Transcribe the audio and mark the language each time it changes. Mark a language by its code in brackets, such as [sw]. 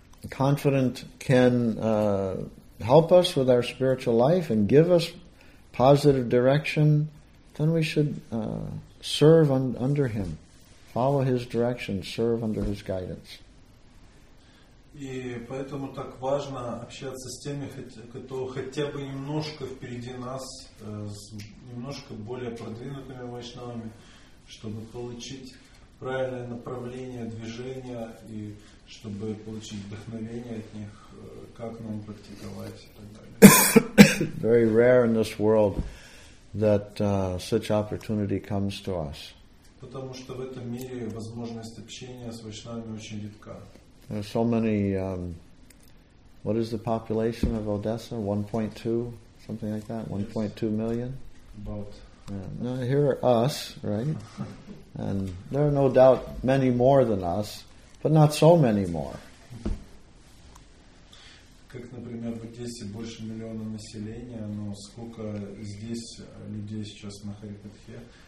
[en] confident can help us with our spiritual life and give us positive direction, then we should serve under him. Follow his direction, serve under his guidance. [ru] И поэтому так важно общаться с теми, кто хотя бы немножко впереди нас, с немножко более продвинутыми вайшнавами, чтобы получить правильное направление движения и чтобы получить вдохновение от них, как нам практиковать и так далее. [en] Very rare in this world that such opportunity comes to us. [ru] Потому что в этом мире возможность общения с вайшнавами очень редка. [en] There are so many, what is the population of Odessa? 1.2, something like that, 1.2 million? About. Yeah. Now, here are us, right? And there are no doubt many more than us, but not so many more. [ru] Как, например, в Одессе больше миллиона населения, но сколько здесь людей сейчас на Харипатхе?